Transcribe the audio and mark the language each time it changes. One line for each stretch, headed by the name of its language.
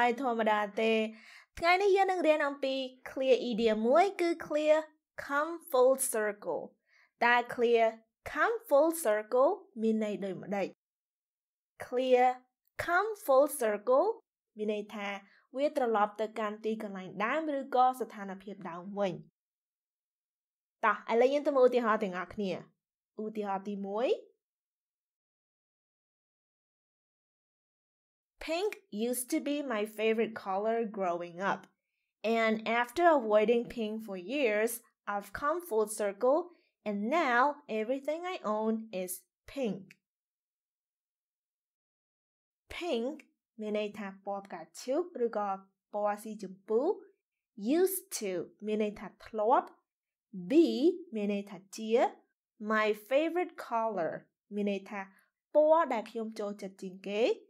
Khmer: ជម្រាបសួរអ្នកទាំងអស់គ្នាសុខសប្បាយទេខ្ញុំសង្ឃឹមថាអ្នកទាំងអស់គ្នាសុខសប្បាយធម្មតាទេថ្ងៃនេះយើងនឹងរៀនអំពី clear idiom មួយគឺ
English: clear come full circle
Khmer: តើ clear come full circle មានន័យដូចម្តេច clear come full circle មានន័យថាវាត្រឡប់ទៅកាន់ទីកន្លែងដើមឬក៏ស្ថានភាពដើមវិញ តោះឥឡូវយើងទៅមើលឧទាហរណ៍ទាំងអស់គ្នា ឧទាហរណ៍ទី 1
English: Pink used to be my favorite color growing up, and after avoiding pink for years, I've come full circle, and now everything I own is pink.
Khmer: Pink, មានន័យថាពណ៌ផ្កាឈូកឬក៏ពណ៌ស៊ីជម្ពូ, used to, មានន័យថាធ្លាប់, be, មានន័យថាជា,
English: My favorite color,
Khmer: មានន័យថាពណ៌ដែលខ្ញុំចូលចិត្តជាងគេ,